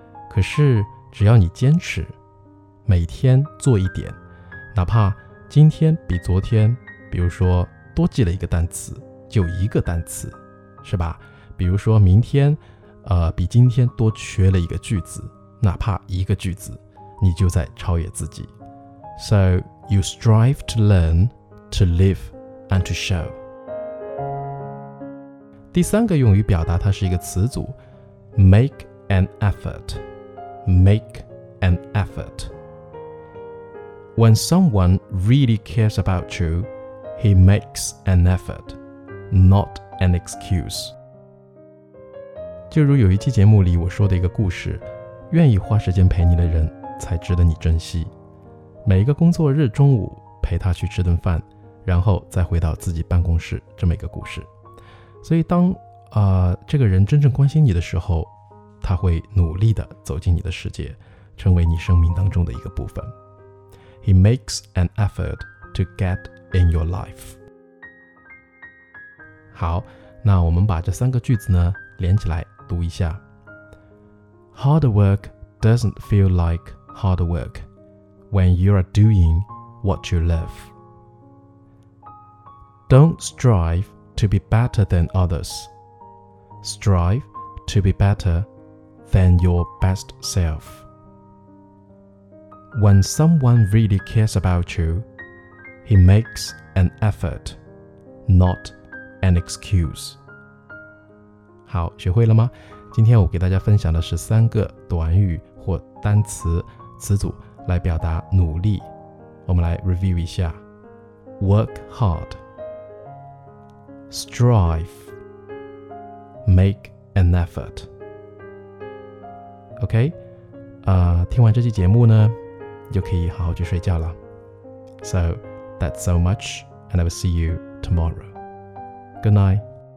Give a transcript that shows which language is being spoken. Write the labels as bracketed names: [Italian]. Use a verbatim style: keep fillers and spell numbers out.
[Chinese] 可是只要你坚持，每天做一点，哪怕今天比昨天，比如说多记了一个单词，就一个单词，是吧？比如说明天呃，比今天多缺了一个句子，哪怕一个句子，你就在超越自己。 [English] So you strive to learn, to live and to show。 [Chinese] 第三个用于表达，它是一个词组， Make an effort。 [English] Make an effort。 When someone really cares about you, he makes an effort, not an excuse。 [Chinese] 就如有一期节目里我说的一个故事，愿意花时间陪你的人才值得你珍惜。每一个工作日中午陪他去吃顿饭，然后再回到自己办公室，这么一个故事。所以当、呃、这个人真正关心你的时候，他会努力地走进你的世界，成为你生命当中的一个部分。 [English] He makes an effort to get in your life。 [Chinese] 好，那我们把这三个句子呢连起来读一下。 [English] Hard work doesn't feel like hard work when you are doing what you love. Don't strive to be better than others. Strive to be better than your best self. When someone really cares about you, he makes an effort, not an excuse。 [Chinese] 好，学会了吗？今天我给大家分享的是三个短语或单词词组来表达努力。我们来 review 一下 work hard, strive, make an effort。 OK、呃、听完这期节目呢，就可以好好去睡觉了。 [English] So that's so much and I will see you tomorrow. Good night.